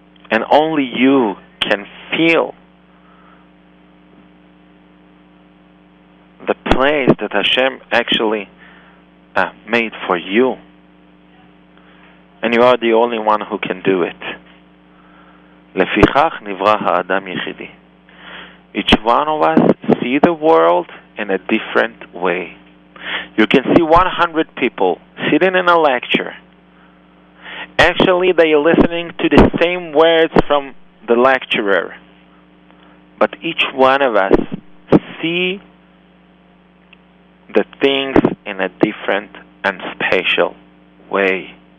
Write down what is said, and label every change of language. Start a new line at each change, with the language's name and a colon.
English: And only you can feel the place that Hashem actually made for you. And you are the only one who can do it.
Hebrew: לפיכך נברא האדם יחידי.
English: Each one of us see the world in a different way. You can see 100 people sitting in a lecture. Actually, they are listening to the same words from the lecturer. But each one of us see the things in a different and special way.